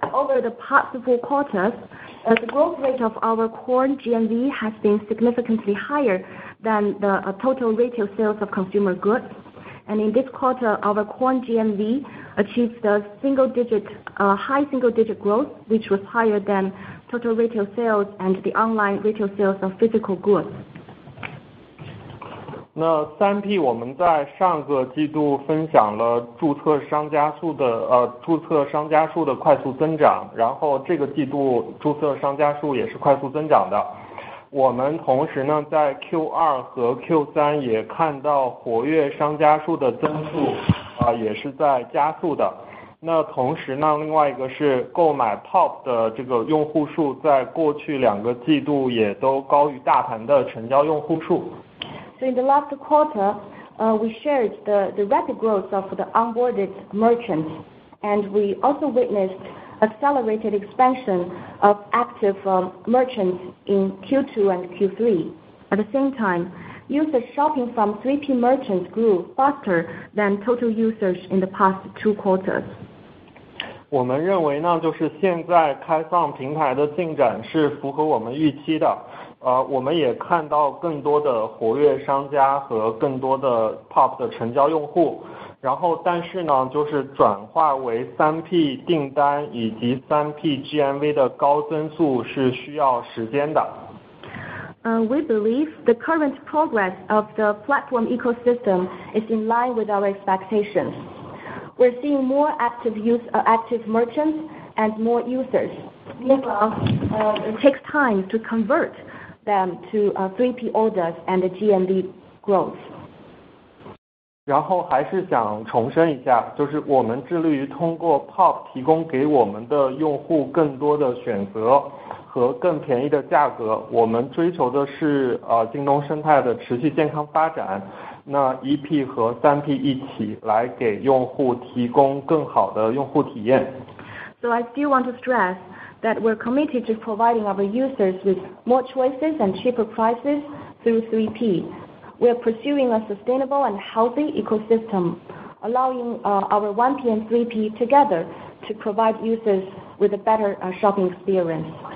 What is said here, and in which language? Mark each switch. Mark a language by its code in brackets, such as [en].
[en] Over the past four quarters, the growth rate of our core GMV has been significantly higher than the total retail sales of consumer goods. And in this quarter, our core GMV achieved the high single-digit growth, which was higher than total retail sales and the online retail sales of physical goods. [zh] 那 3P 我们在上个季度分享了注册商家数的快速增长，然后这个季度注册商家数也是快速增长的。我们同时呢在 Q2 和 Q3 也看到活跃商家数的增速也是在加速的。那同时呢另外一个是购买 TOP 的这个用户数在过去两个季度也都高于大盘的成交用户数。 [en] So in the last quarter, we shared the rapid growth of the onboarded merchants, and we also witnessed accelerated expansion of active merchants in Q2 and Q3. At the same time, users shopping from 3P merchants grew faster than total users in the past two quarters. [zh] 我们认为呢，就是现在开放平台的进展是符合我们预期的。我们也看到更多的活跃商家和更多的 POP 的成交用户，然后但是呢就是转化为 3P 订单以及 3P GMV 的高增速是需要时间的。 [en] We believe the current progress of the platform ecosystem is in line with our expectations. We're seeing more active merchants and more users. Meanwhile, it takes time to convert them to 3P orders and the GMV growth. [zh] 然后还是想重申一下，就是我们致力于通过 POP 提供给我们的用户更多的选择和更便宜的价格。我们追求的是京东生态的持续健康发展，那 1P 和 3P 一起来给用户提供更好的用户体验。 [en] So I still want to stress that we're committed to providing our users with more choices and cheaper prices through 3P. We're pursuing a sustainable and healthy ecosystem, allowing our 1P and 3P together to provide users with a better shopping experience.